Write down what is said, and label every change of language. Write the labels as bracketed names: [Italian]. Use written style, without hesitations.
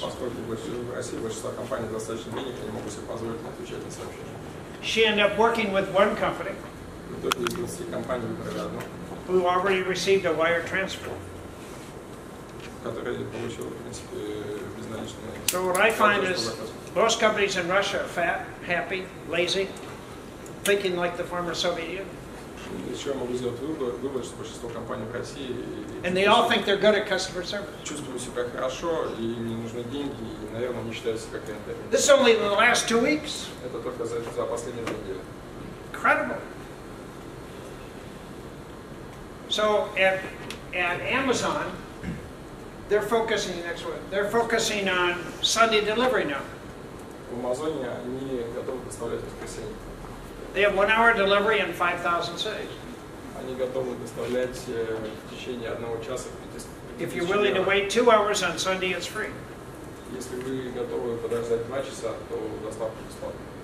[Russian] Поскольку в России большинство компаний достаточно денег, они могут себе позволить не отвечать на сообщения. [English] She ended up working with one company. [Russian] В итоге из нескольких компаний выбрали одну. [English] Who already received a wire transfer. [Russian] Которая получила, в принципе, безналичные... [English] So what I find is, most companies in Russia are fat, happy, lazy, thinking like the former Soviet Union. [Russian] Вывод, что большинство компаний в России [English] and they all think they're good at customer service. [Russian] Чувствуют себя хорошо, и им не нужны деньги, и, наверное, не считаются как клиенты. [English] This is only the last 2 weeks. [Russian] Это только за последние 2 недели. [English] Incredible. So at Amazon, they're focusing on Sunday delivery now. [Russian] В Амазоне они готовы поставлять в воскресенье. [English] They have 1 hour delivery in 5,000 cities. [Russian] Они готовы доставлять в течение одного часа 5,000. [English] If you're willing to wait 2 hours on Sunday, it's free. [Russian] Если вы готовы подождать 2 часа, то доставка бесплатная.